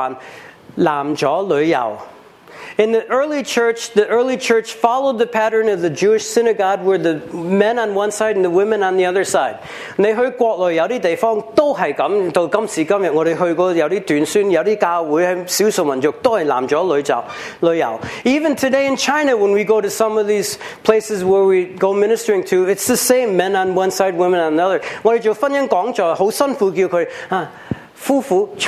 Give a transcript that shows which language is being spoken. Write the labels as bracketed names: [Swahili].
[Chinese] 在初期教会，初期教会是学这个犹太人的习惯，男左女右。 [English] In the early church followed the pattern of the Jewish synagogue where the men on one side and the women on the other side. [Chinese] 你去国内有些地方都是这样，到今时今日，我们去过有些短宣，有些教会少数民族都是男左女右。 [English] Even today in China, when we go to some of these places where we go ministering to, it's the same, men on one side, women on the other. [Chinese] 我们做婚姻讲座，很辛苦叫他。